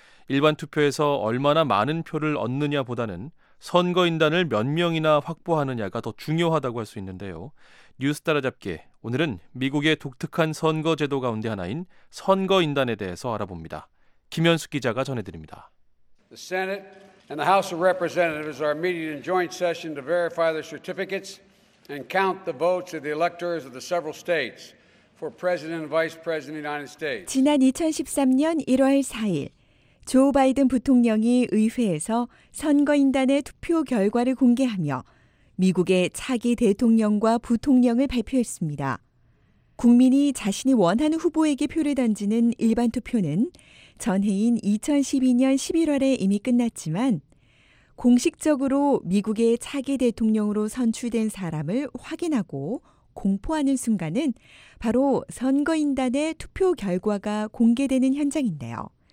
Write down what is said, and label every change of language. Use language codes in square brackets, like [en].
[ko] 일반 투표에서 얼마나 많은 표를 얻느냐 보다는 선거인단을 몇 명이나 확보하느냐가 더 중요하다고 할 수 있는데요. 뉴스 따라잡기, 오늘은 미국의 독특한 선거 제도 가운데 하나인 선거인단에 대해서 알아봅니다. 김현숙 기자가 전해드립니다. [en] The Senate and the House of Representatives are meeting in joint session to verify the certificates and count the votes of the electors of the several states for President and Vice President of the United States. [ko] 지난 2013년 1월 4일 조 바이든 부통령이 의회에서 선거인단의 투표 결과를 공개하며 미국의 차기 대통령과 부통령을 발표했습니다. 국민이 자신이 원하는 후보에게 표를 던지는 일반 투표는 전해인 2012년 11월에 이미 끝났지만 공식적으로 미국의 차기 대통령으로 선출된 사람을 확인하고 공포하는 순간은 바로 선거인단의 투표 결과가 공개되는 현장인데요.